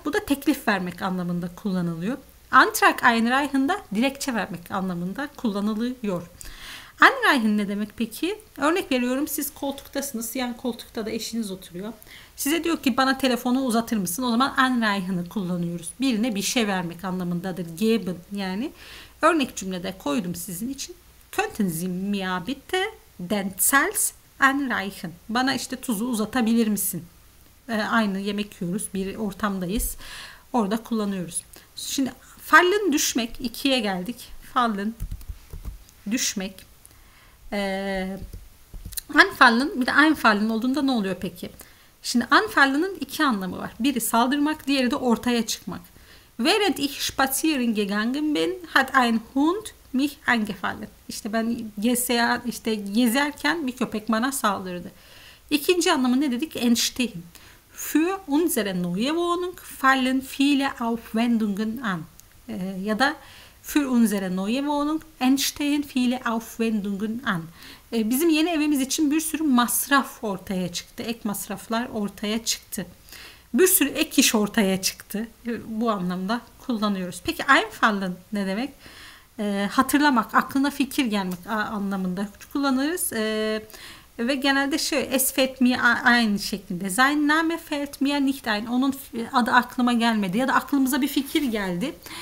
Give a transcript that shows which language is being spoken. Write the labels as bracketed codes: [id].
[tr] Bu da teklif vermek anlamında kullanılıyor. Antrag einreichen da dilekçe vermek anlamında kullanılıyor. Anreichen ne demek peki? Örnek veriyorum, siz koltuktasınız. Yan koltukta da eşiniz oturuyor. Size diyor ki bana telefonu uzatır mısın? O zaman anreichen'ı kullanıyoruz. Birine bir şey vermek anlamındadır. Geben yani. Örnek cümlede koydum sizin için. [de] Könnten Sie mir bitte den Salz anreichen? [tr] Bana işte tuzu uzatabilir misin? Aynı yemek yiyoruz. Bir ortamdayız. Orada kullanıyoruz. Şimdi fallen düşmek. İkiye geldik. Fallen düşmek. Anfallen, bir de einfallen olduğunda ne oluyor peki? Şimdi anfallen'ın iki anlamı var. Biri saldırmak, diğeri de ortaya çıkmak. [de] Während ich spazieren gegangen bin, hat ein Hund mich angefallen. [tr] İşte ben gezerken bir köpek bana saldırdı. İkinci anlamı ne dedik? Entstehen. [de] Für unsere neue Wohnung fallen viele Aufwendungen an. [tr] Ya da [de] Für unsere neue Wohnung entstehen viele Aufwendungen an. [tr] Bizim yeni evimiz için bir sürü masraf ortaya çıktı. Ek masraflar ortaya çıktı. Bir sürü ek iş ortaya çıktı. Bu anlamda kullanıyoruz. Peki einfallen ne demek? Hatırlamak, aklına fikir gelmek anlamında kullanırız. Ve genelde şöyle [de] es fällt mir ein [tr] şeklinde. [de] Sein Name fällt mir nicht ein. [tr] Onun adı aklıma gelmedi. Ya da aklımıza bir fikir geldi.